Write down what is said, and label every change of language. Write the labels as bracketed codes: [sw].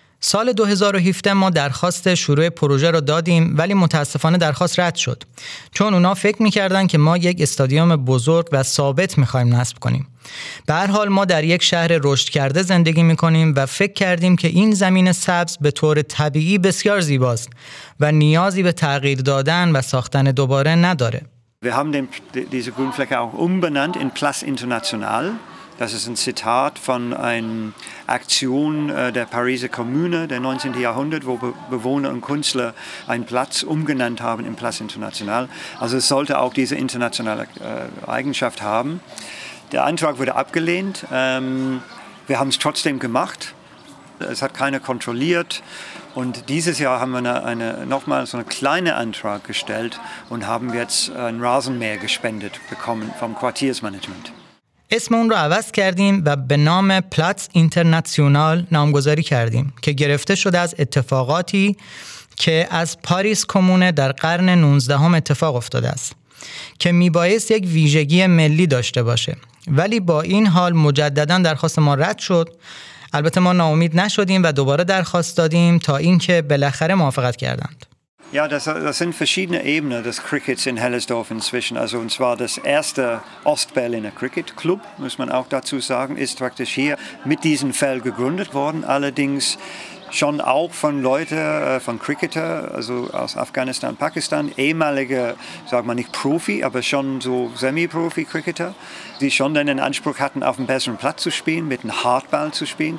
[fa] سال 2017 ما درخواست شروع پروژه را دادیم ولی متاسفانه درخواست رد شد چون اونا فکر می‌کردن که ما یک استادیوم بزرگ و ثابت می‌خوایم نصب کنیم. به هر حال ما در یک شهر رشد کرده زندگی می‌کنیم و فکر کردیم که این زمین سبز به طور طبیعی بسیار زیباست و نیازی به تغییر دادن و ساختن دوباره نداره. [de] Wir haben diese Grünfläche auch umbenannt in Place International. Das ist ein Zitat von einer Aktion der Pariser Kommune der 19. Jahrhundert, wo Bewohner und Künstler einen Platz umgenannt haben in Place International. Also es sollte auch diese internationale Eigenschaft haben. Der Antrag wurde abgelehnt. Wir haben es trotzdem gemacht. Es hat keiner kontrolliert. Und dieses Jahr haben wir nochmal so einen kleinen Antrag gestellt und haben jetzt ein Rasenmäher gespendet bekommen vom Quartiersmanagement. [fa] اسم اون رو عوض کردیم و به نام پلاتس اینترنشنال نامگذاری کردیم که گرفته شده از اتفاقاتی که از پاریس کمون در قرن 19 هم اتفاق افتاده است که میبایست یک ویژگی ملی داشته باشه ولی با این حال مجدداً درخواست ما رد شد البته ما ناامید نشدیم و دوباره درخواست دادیم تا اینکه بالاخره موافقت کردند [de] Ja, das sind verschiedene Ebenen des Crickets in Hellersdorf inzwischen. Also und zwar das erste Ostberliner Cricket Club, muss man auch dazu sagen, ist praktisch hier mit diesem Feld gegründet worden. Allerdings schon auch von Leuten, von Cricketer, also aus Afghanistan, Pakistan, ehemalige, sag mal nicht Profi, aber schon so Semi-Profi-Cricketer, die schon dann den Anspruch hatten, auf einem besseren Platz zu spielen, mit einem Hardball zu spielen.